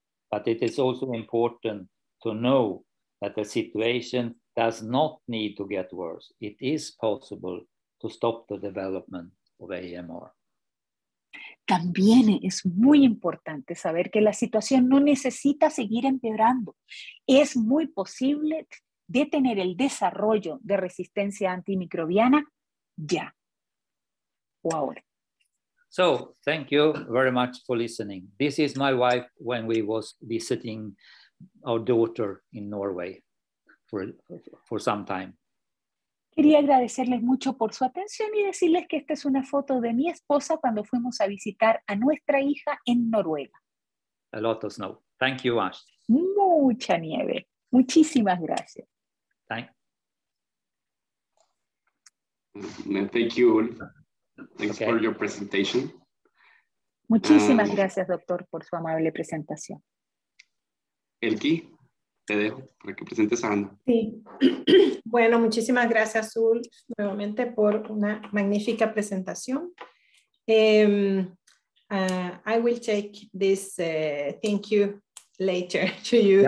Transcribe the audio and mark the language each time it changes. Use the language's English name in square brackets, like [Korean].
[English] But it is also important to know that the situation does not need to get worse. It is possible to stop the development of AMR. [Spanish] También es muy importante saber que la situación no necesita seguir empeorando. Es muy posible detener el desarrollo de resistencia antimicrobiana ya o ahora. [English] So, thank you very much for listening. This is my wife when we was visiting our daughter in Norway for some time. [Spanish] Quería agradecerles mucho por su atención y decirles que esta es una foto de mi esposa cuando fuimos a visitar a nuestra hija en Noruega. [English] A lot of snow. Thank you, Ash. [Spanish] Mucha nieve. Muchísimas gracias. [English] Thank you. Thanks okay. For your presentation. [Spanish] Muchísimas gracias, doctor, por su amable presentación. Elki. Te dejo para que presentes a Ana. Sí. Bueno, muchísimas gracias, Azul, nuevamente por una magnífica presentación. [English] I will take this thank you later to you.